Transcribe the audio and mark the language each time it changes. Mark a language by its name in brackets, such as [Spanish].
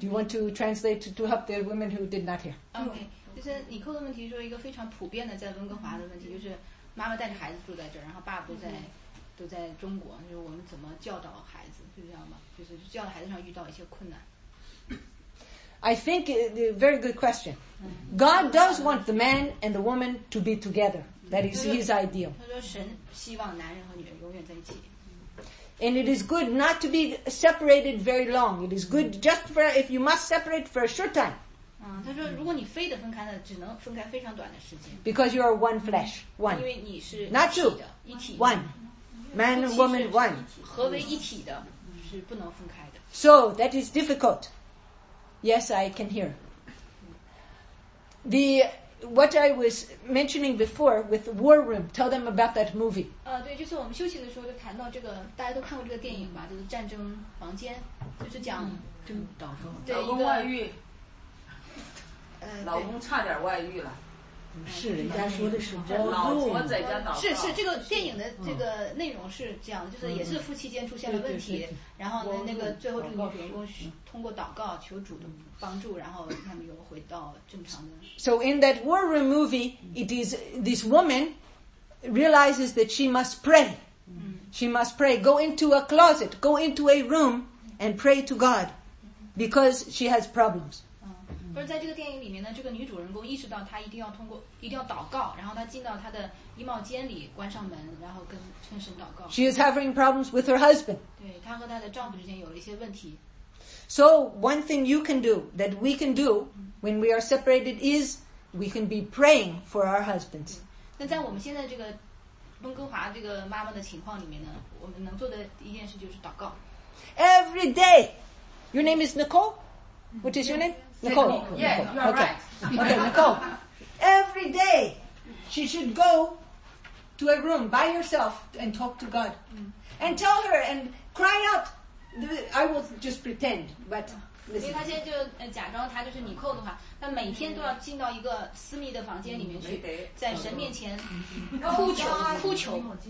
[English] Do you want to translate to help the women who did not hear? Okay. [Chinese] 就是你扣的问题，说一个非常普遍的在温哥华的问题，就是妈妈带着孩子住在这儿，然后爸不在。就在中国，就是我们怎么教导孩子，就这样吧，就是教导孩子上遇到一些困难。 [English] I think a very good question. God does want the man and the woman to be together. That is his ideal. [Chinese] 他说神希望男人和女人永远在一起。 [English] And it is good not to be separated very long. It is good just for if you must separate for a short time. [Chinese] 他说如果你非得分开呢，只能分开非常短的时间。 [English] Because you are one flesh, one. [Chinese] 因为你是 [English] not two, [Chinese] 一体 [English] one. Man and woman, one. [Chinese] 合为一体的，是不能分开的。 [English] So, that is difficult. Yes, I can hear. What I was mentioning before with the War Room, tell them about that movie. [Chinese] 对，就是我们休息的时候就谈到这个，大家都看过这个电影吧，就是《战争房间》，就是讲老公外遇，老公差点外遇了。是人家说的是老婆在家祷告，是这个电影的这个内容是这样，就是也是夫妻间出现了问题，然后呢那个最后这个女主人公通过祷告求主的帮助，然后他们又回到正常的。 [English] So in that War Room movie, it is this woman realizes that she must pray. She must pray. Go into a closet, go into a room and pray to God because she has problems. [Chinese] 而在这个电影里面呢，这个女主人公意识到她一定要祷告，然后她进到她的衣帽间里，关上门，然后跟神祷告。 [English] She is having problems with her husband. [Chinese] 对，她和她的丈夫之间有了一些问题。 [English] So one thing you can do that we can do when we are separated is we can be praying for our husbands [Chinese] 那在我们现在这个温哥华这个妈妈的情况里面呢，我们能做的一件事就是祷告。 [English] Every day, your name is Nicole. What is your name? Nicole. Yeah, you are right. Okay, Nicole. Every day, she should go to a room by herself and talk to God, and tell her and cry out. I will just pretend, but. [Chinese] 因为他现在就假装他就是你扣的话，他每天都要进到一个私密的房间里面去，在神面前哭求哭求。